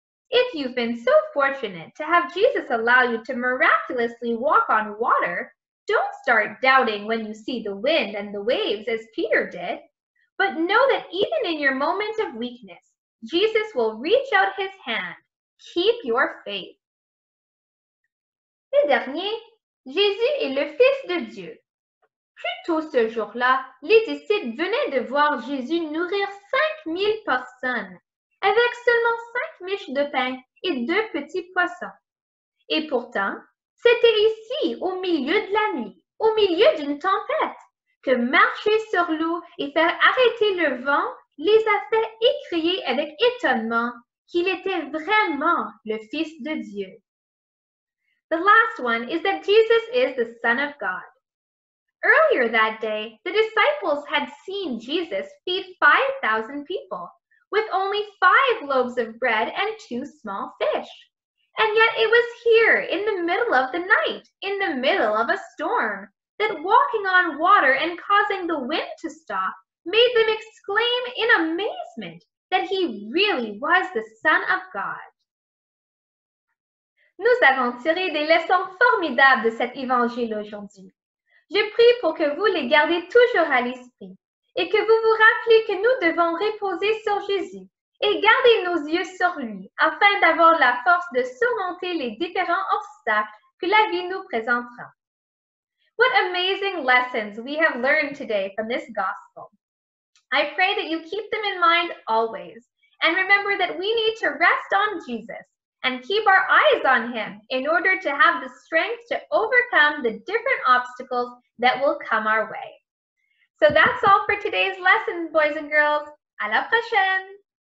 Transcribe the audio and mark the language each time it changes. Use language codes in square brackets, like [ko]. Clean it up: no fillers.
[en] If you've been so fortunate to have Jesus allow you to miraculously walk on water, don't start doubting when you see the wind and the waves as Peter did. But know that even in your moment of weakness, Jesus will reach out his hand. Keep your faith. [fr] Le dernier, Jésus est le Fils de Dieu. Plus tôt ce jour-là, les disciples venaient de voir Jésus nourrir 5 000 personnes, avec seulement 5 miches de pain et 2 petits poissons. Et pourtant, c'était ici, au milieu de la nuit, au milieu d'une tempête, que marcher sur l'eau et faire arrêter le vent les a fait écrier avec étonnement qu'il était vraiment le Fils de Dieu. [en] The last one is that Jesus is the Son of God. Earlier that day, the disciples had seen Jesus feed 5,000 people with only 5 loaves of bread and 2 small fish. And yet it was here in the middle of the night, in the middle of a storm, that walking on water and causing the wind to stop made them exclaim in amazement that he really was the Son of God. [fr] Nous avons tiré des leçons formidables de cet évangile aujourd'hui. Je prie pour que vous les gardiez toujours à l'esprit et que vous vous rappelez que nous devons reposer sur Jésus et garder nos yeux sur lui afin d'avoir la force de surmonter les différents obstacles que la vie nous présentera. [en] What amazing lessons we have learned today from this gospel. I pray that you keep them in mind always and remember that we need to rest on Jesus and keep our eyes on him in order to have the strength to overcome the different obstacles that will come our way. So that's all for today's lesson, boys and girls. [fr] À la prochaine!